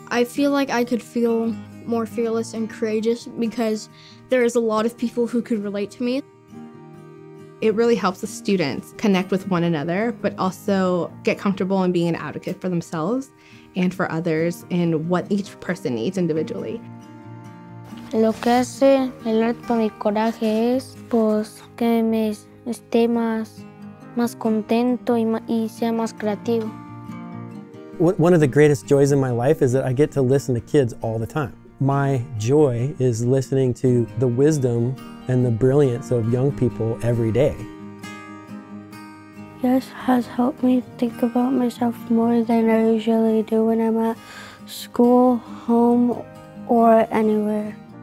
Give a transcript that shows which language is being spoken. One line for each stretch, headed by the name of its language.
English: I feel like I could feel more fearless and courageous because there is a lot of people who could relate to me. It really helps the students connect with one another, but also get comfortable in being an advocate for themselves and for others and what each person needs individually.
Spanish: Lo que hace el arte para mi coraje es, pues, que me esté más contento y sea más creativo.
English: One of the greatest joys in my life is that I get to listen to kids all the time. My joy is listening to the wisdom and the brilliance of young people every day. YES has helped me think about myself more than I usually do when I'm at school, home, or anywhere.